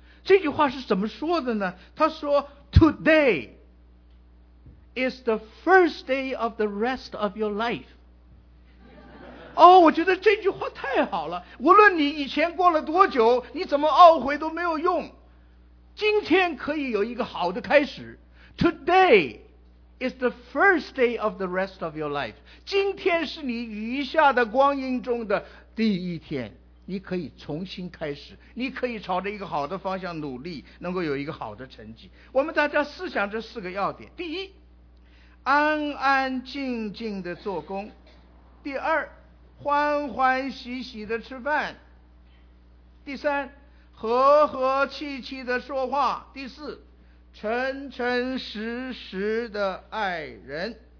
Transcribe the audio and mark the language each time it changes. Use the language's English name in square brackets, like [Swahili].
[Chinese] 这句话是怎么说的呢？他说 [English] Today is the first day of the rest of your life。 [Chinese] 哦，我觉得这句话太好了，无论你以前过了多久，你怎么懊悔都没有用，今天可以有一个好的开始。 [English] Today is the first day of the rest of your life. [Chinese] 今天是你余下的光阴中的第一天，你可以重新开始，你可以朝着一个好的方向努力，能够有一个好的成绩。我们大家思想这四个要点：第一，安安静静的做工；第二，欢欢喜喜的吃饭；第三，和和气气的说话；第四，诚诚实实的爱人。